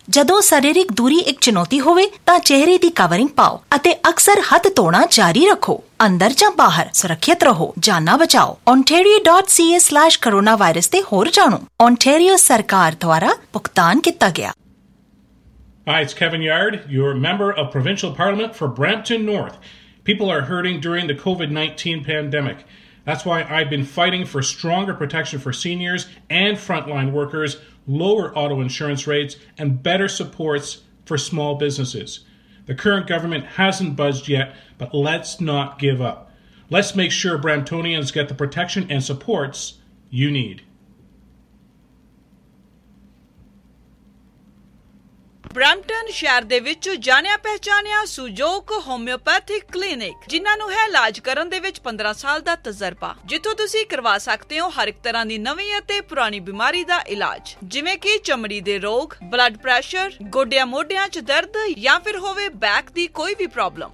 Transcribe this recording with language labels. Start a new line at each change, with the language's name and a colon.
Punjabi: ਜਦੋਂ ਸਰੀਰਕ ਦੂਰੀ ਇੱਕ ਚੁਣੌਤੀ ਹੋਵੇ ਤਾਂ ਚਿਹਰੇ ਦੀ ਕਵਰਿੰਗ ਪਾਓ ਅਤੇ ਅਕਸਰ ਹੱਥ ਧੋਣਾ ਜਾਰੀ ਰੱਖੋ। ਅੰਦਰ ਜਾਂ ਬਾਹਰ ਸੁਰੱਖਿਅਤ ਰਹੋ, ਜਾਨਾਂ ਬਚਾਓ। ontario.ca/coronavirus ਤੇ ਹੋਰ ਜਾਣੋ। ਓਨਟੇਰੀਓ ਸਰਕਾਰ ਦੁਆਰਾ ਭੁਗਤਾਨ ਕੀਤਾ ਗਿਆ।
English: Hi, it's Kevin Yard, your member of provincial parliament for Brampton North. People are hurting during the COVID-19 pandemic. That's why I've been fighting for stronger protection for seniors and frontline workers, lower auto insurance rates, and better supports for small businesses. The current government hasn't budged yet, but let's not give up. Let's make sure Bramptonians get the protection and supports you need.
Punjabi: Brampton ਸ਼ਹਿਰ ਦੇ ਵਿੱਚ ਜਾਣਿਆ ਪਹਿਚਾਣਿਆ ਸੁਜੋਕ homeopathic clinic, ਜਿਨ੍ਹਾਂ ਨੂੰ ਹੈ ਇਲਾਜ ਕਰਨ ਦੇ ਵਿੱਚ 15 ਸਾਲ ਦਾ ਤਜਰਬਾ, ਜਿੱਥੋਂ ਤੁਸੀਂ ਕਰਵਾ ਸਕਦੇ ਹੋ ਹਰ ਇੱਕ ਤਰ੍ਹਾਂ ਦੀ ਨਵੀਂ ਅਤੇ ਪੁਰਾਣੀ ਬਿਮਾਰੀ ਦਾ ਇਲਾਜ, ਜਿਵੇਂ ਕਿ ਚਮੜੀ ਦੇ ਰੋਗ, ਬਲੱਡ ਪ੍ਰੈਸ਼ਰ, ਗੋਡਿਆਂ ਮੋਢਿਆਂ 'ਚ ਦਰਦ ਜਾਂ ਫਿਰ ਹੋਵੇ ਬੈਕ ਦੀ ਕੋਈ ਵੀ ਪ੍ਰੋਬਲਮ।